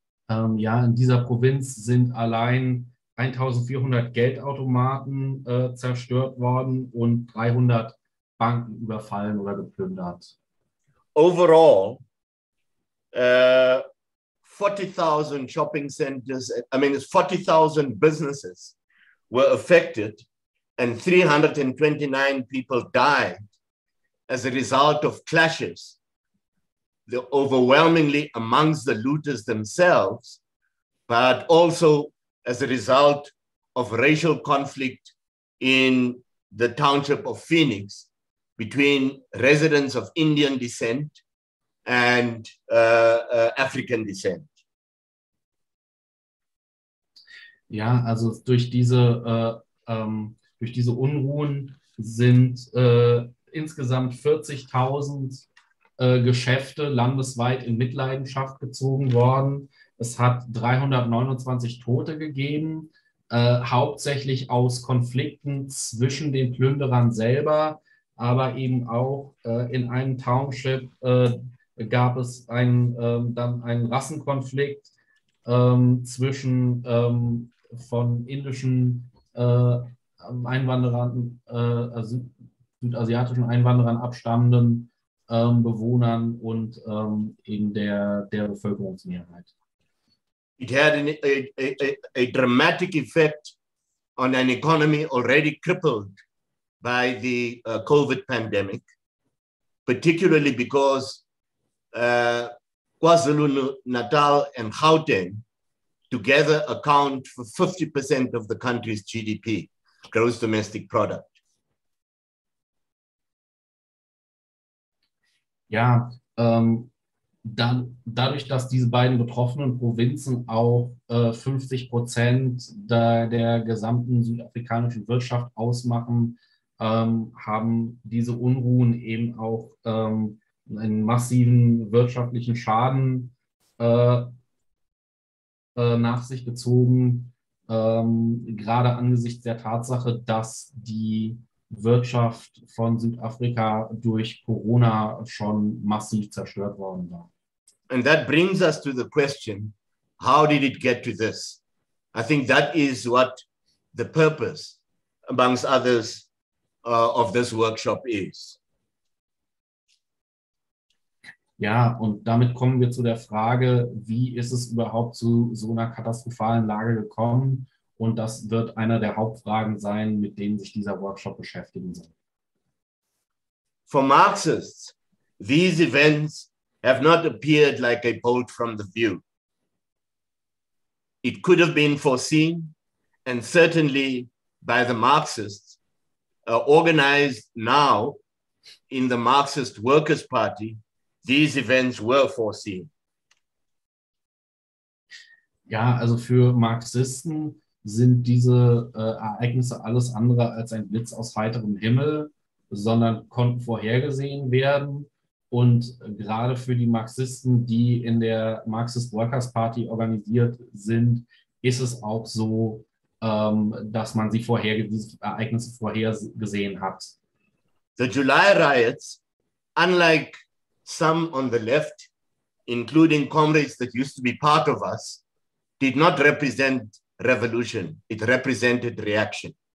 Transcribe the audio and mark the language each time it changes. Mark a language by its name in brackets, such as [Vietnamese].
[German] Ja, in dieser Provinz sind allein 1,400 Geldautomaten zerstört worden und 300 Banken überfallen oder geplündert. [English] Overall, 40,000 shopping centers, I mean, 40,000 businesses were affected and 329 people died as a result of clashes, overwhelmingly amongst the looters themselves, but also as a result of racial conflict in the township of Phoenix between residents of Indian descent and African descent. [German] Ja, also durch diese Unruhen sind insgesamt 40,000 Geschäfte landesweit in Mitleidenschaft gezogen worden. Es hat 329 Tote gegeben, hauptsächlich aus Konflikten zwischen den Plünderern selber, aber eben auch in einem Township gab es einen Rassenkonflikt zwischen von indischen Einwanderern, südasiatischen Einwanderern abstammenden Bewohnern und in der Bevölkerungsmehrheit. [English] It had a dramatic effect on an economy already crippled by the COVID pandemic, particularly because KwaZulu-Natal and Gauteng together account for 50% of the country's GDP, gross domestic product. [German] Ja, dadurch, dass diese beiden betroffenen Provinzen auch 50% der gesamten südafrikanischen Wirtschaft ausmachen, haben diese Unruhen eben auch einen massiven wirtschaftlichen Schaden nach sich gezogen, gerade angesichts der Tatsache, dass die Wirtschaft von Südafrika durch Corona schon massiv zerstört worden war. [English] And that brings us to the question, how did it get to this? I think that is what the purpose, amongst others, of this workshop is. [German] Ja, und damit kommen wir zu der Frage, wie ist es überhaupt zu so einer katastrophalen Lage gekommen? Und das wird einer der Hauptfragen sein, mit denen sich dieser Workshop beschäftigen soll. [English] For Marxists, these events have not appeared like a bolt from the blue. It could have been foreseen and certainly by the Marxists, organized now in the Marxist Workers' Party, these events were foreseen. [German] Ja, also für Marxisten sind diese Ereignisse alles andere als ein Blitz aus heiterem Himmel, sondern konnten vorhergesehen werden. Und gerade für die Marxisten, die in der Marxist Workers Party organisiert sind, ist es auch so, dass man sie diese Ereignisse vorhergesehen hat. [English] The July riots, unlike some on the left, including comrades that used to be part of us, did not represent revolution. It represented reaction.